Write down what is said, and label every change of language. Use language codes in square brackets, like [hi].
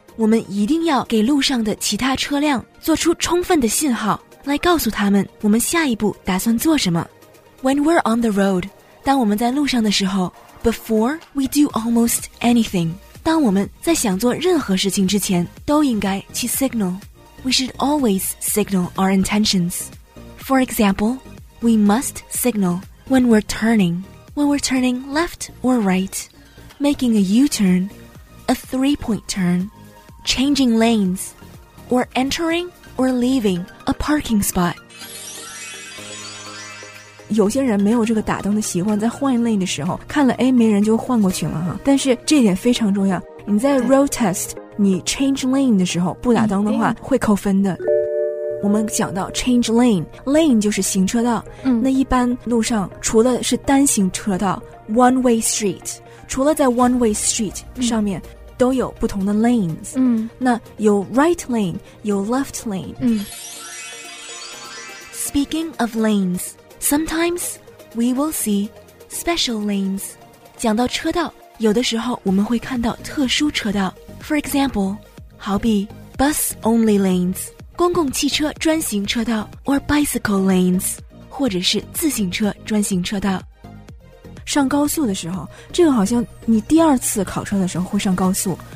[zh] 我们一定要给路上的其他车辆做出充分的信号，来告诉他们我们下一步打算做什么。 When we're on the road, 当我们在路上的时候， before we do almost anything, 当我们在想做任何事情之前，都应该去 signal. [en] We should always signal our intentions. For example, we must signalWhen we're turning left or right, making a U-turn, a three-point turn, changing lanes, or entering or leaving a parking spot. [zh] 有些人没有这个打灯的习惯，在换 lane 的时候看了，哎，没人就换过去了哈。但是这点非常重要，你在 road test 你 change lane 的时候不打灯的话会扣分的。我们讲到 change lane, lane 就是行车道。那一般路上除了是单行车道 one way street, 除了在 one way street 上面都有不同的 lanes, 那有 right lane, 有 left lane. [en] Speaking of lanes, sometimes we will see special lanes. [zh] 讲到车道，有的时候我们会看到特殊车道。 [en] For example, 好比 bus only lanes, 公共汽车专行车道 or bicycle lanes, 或者是自行车专行车道。 [zh] 上高速的时候，这个好像你第二次考车的时候会上高速。